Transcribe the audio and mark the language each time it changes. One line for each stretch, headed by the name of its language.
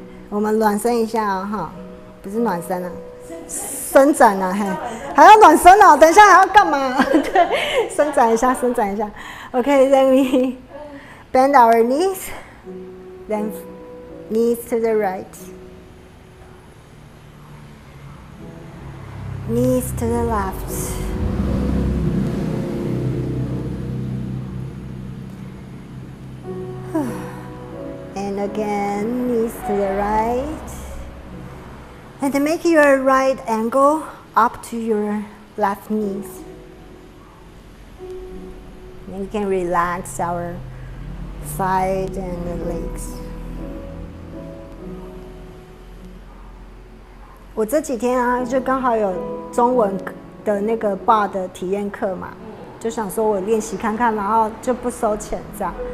Chinese: 我们暖身一下啊、哦、不是暖身啊，伸展啊，嘿，还要暖身啊、哦、等一下还要干嘛？对，伸展一下，伸展一下。
English: Okay, then we bend our knees, then knees to the right, knees to the left, and again. To the right, and make your right ankle up to your left knees. Then you can relax our side and the legs.
Chinese: 我这几天啊，就刚好有中文的那个 bar 的体验课嘛，就想说我练习看看，然后就不收钱这样。